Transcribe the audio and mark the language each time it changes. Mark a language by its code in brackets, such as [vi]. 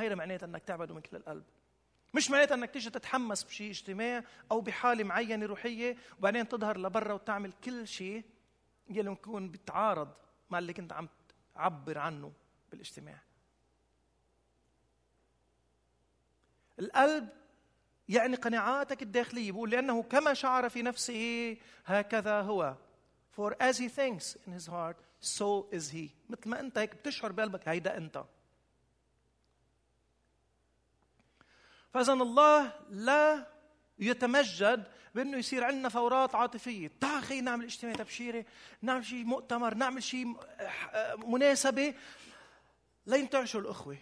[ar] هاي معناتها إنك تعبده من كل القلب، مش معناتها إنك تيجي تتحمس بشيء اجتماع أو بحالة معينة روحية وبعدين تظهر لبرا وتعمل كل شيء يلي يكون بتعارض مع اللي كنت عم تعبر عنه بالاجتماع. القلب يعني قناعاتك الداخلية، بقول لأنه كما شعر في نفسه هكذا هو. [en] For as he thinks in his heart, so is he. [ar] مثل ما أنت هيك بتشعر بقلبك هيدا أنت. فإذا الله لا يتمجد بأنه يصير عندنا ثورات عاطفية. تعخي نعمل اجتماع تبشيري، نعمل شيء مؤتمر، نعمل شيء مناسبة لينتعشوا الأخوة.